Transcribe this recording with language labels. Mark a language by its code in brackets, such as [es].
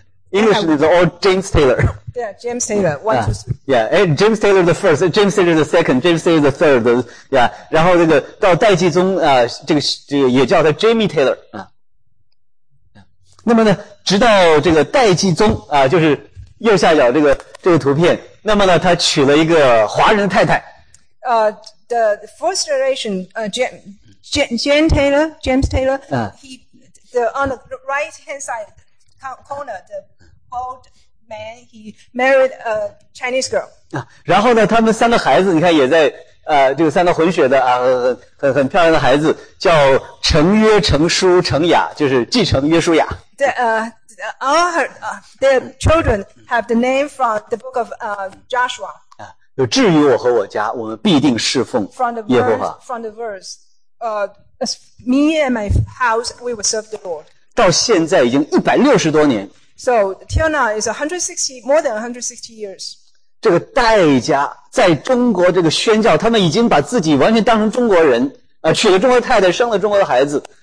[en] English is all James Taylor. Yeah, James Taylor, one, two, three. Yeah, and James Taylor the first, James Taylor the second, James Taylor the third, yeah. [zh] 然后这个到戴季宗啊，这个也叫他 Jamie Taylor 啊。那么呢，直到这个戴季宗啊，就是右下角这个图片，那么呢，他娶了一个华人太太。 [en] The first generation, James Taylor, on the right hand side corner, the old man, he married a Chinese girl. [zh] 然后呢，他们三个孩子，你看也在这个三个混血的啊，很漂亮的孩子，叫程约、程书、程雅，就是继承约书亚。 [en] The the children have the name from the book of Joshua. [zh] 就至于我和我家，我们必定侍奉耶和华。 [en] From the verse, as me and my house, we will serve the Lord. [zh] 到现在已经160多年。 [en] So till now is 160 more than 160 years. [zh] 这个戴家在中国这个宣教，他们已经把自己完全当成中国人啊，娶了中国太太，生了中国的孩子。